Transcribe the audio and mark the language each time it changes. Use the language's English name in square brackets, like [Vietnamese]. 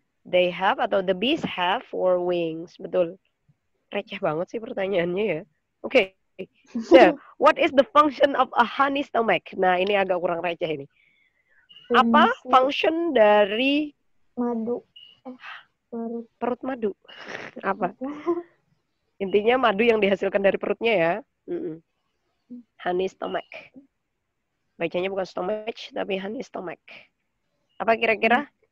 [English] They have atau the bees have four wings. [Indonesian] Betul. Receh banget sih pertanyaannya ya. Oke. Okay. [English] So, what is the function of a honey stomach? [Indonesian] Nah, ini agak kurang receh ini. Apa function dari madu? Perut madu. Apa? Intinya madu yang dihasilkan dari perutnya ya. Honey stomach. Bacanya bukan stomach, tapi honey stomach. Apa kira-kira?